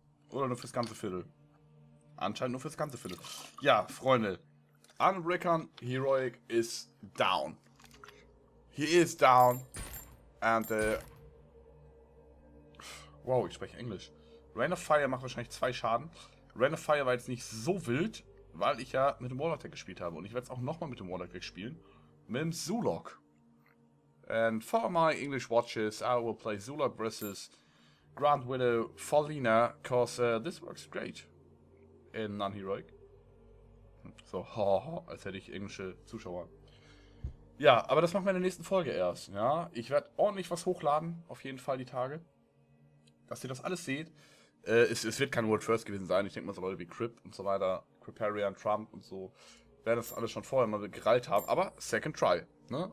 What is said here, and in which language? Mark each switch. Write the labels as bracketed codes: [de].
[de] Oder nur fürs ganze Viertel? Anscheinend nur fürs ganze Viertel. Ja, Freunde. [en] Unreckon Heroic is down. He is down. And, wow, [de] ich spreche Englisch. Rain of Fire macht wahrscheinlich 2 Schaden. Rain of Fire war jetzt nicht so wild, weil ich ja mit dem Warlock gespielt habe. Und ich werde es auch nochmal mit dem Warlock spielen. Mit dem Zulok. [en] And for my English watches, I will play Zulok versus Grand Widow Fallina, because this works great in Non-Heroic. [de] So, haha, als hätte ich englische Zuschauer. Ja, aber das machen wir in der nächsten Folge erst, ja. Ich werde ordentlich was hochladen, auf jeden Fall die Tage, dass ihr das alles seht. Es wird kein World First gewesen sein, ich denke mal so Leute wie Crypt und so weiter, Cryptarian, Trump und so, werden das alles schon vorher mal gereilt haben, aber [en] Second Try, [de] ne?